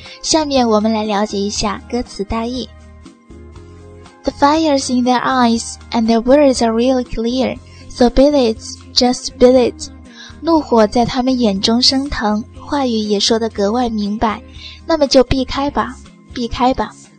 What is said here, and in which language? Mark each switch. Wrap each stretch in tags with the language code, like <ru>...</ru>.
<zh>下面我们来了解一下歌词大意。</zh> <en>The fire's in their eyes and their words are really clear, so beat it, just beat it.</en> <zh>怒火在他们眼中升腾，话语也说得格外明白，那么就避开吧，避开吧。</zh>